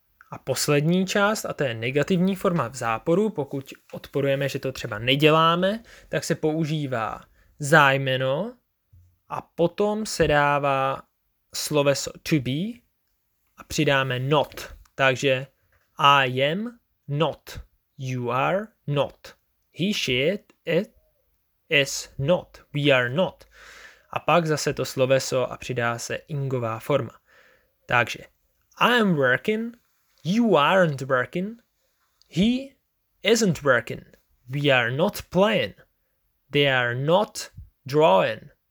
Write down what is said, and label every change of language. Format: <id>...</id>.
<cs>A poslední část, a to je negativní forma v záporu, pokud odporujeme, že to třeba neděláme, tak se používá zájmeno a potom se dává sloveso</cs> <en>to be</en> <cs>a přidáme not.</cs> <en>Takže I am not, you are not, he, she, it, it is not, we are not.</en> <cs>A pak zase to sloveso a přidá se ingová forma.</cs> <en>Takže I am working, you aren't working, he isn't working, we are not playing, they are not drawing.</en>